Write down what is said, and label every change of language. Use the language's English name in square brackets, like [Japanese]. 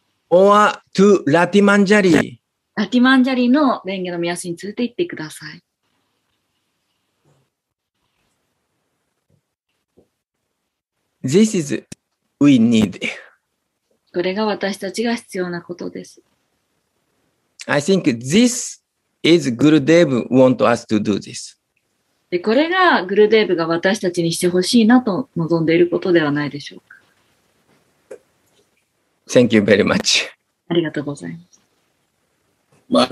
[English] Or to Lati Manjari. [Japanese] Lati Manjari の蓮華の御足に連れて行ってください。 [English] This is we need. [Japanese] これが私たちが必要なことです。 [English] I think this is Gurudev want us to do this. [Japanese] で、これがグルデーブが私たちにしてほしいなと望んでいることではないでしょうか。 [English] Thank you very much. [Japanese] ありがとうございます。